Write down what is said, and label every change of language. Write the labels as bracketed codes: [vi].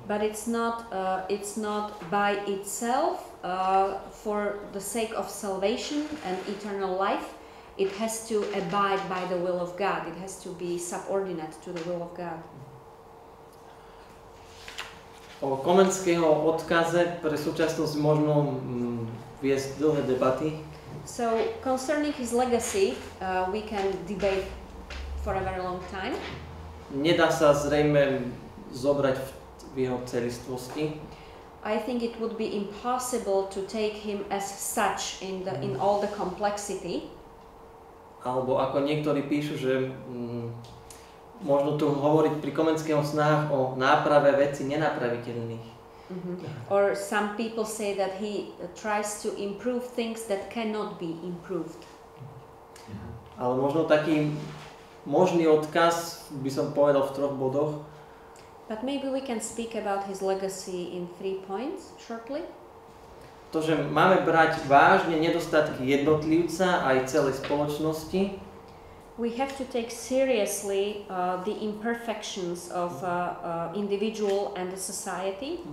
[en] But it's not by itself for the sake of salvation and eternal life. It has to abide by the will of God. It has to be subordinate to the will of God. [sk] O Komenského odkaze pre súčasnosť možno viesť dlhé debaty. [en] So concerning his legacy, we can debate for a very long time. [sk] Nedá sa zrejme zobrať v jeho celistvosti. [en] I think it would be impossible to take him as such in the in all the complexity. [sk] Alebo ako niektorí píšu, že možno tu hovoriť pri Komenského snahách o náprave vecí nenapraviteľných. Mm-hmm. [en] Or some people say that he tries to improve things that cannot be improved. Mm-hmm. [sk] Ale možno taký možný odkaz by som povedal v troch bodoch. [en] But maybe we can speak about his legacy in three points shortly. [sk] To, že máme brať vážne nedostatky jednotlivca aj celej spoločnosti. [en] We have to take seriously the imperfections of individual and the society.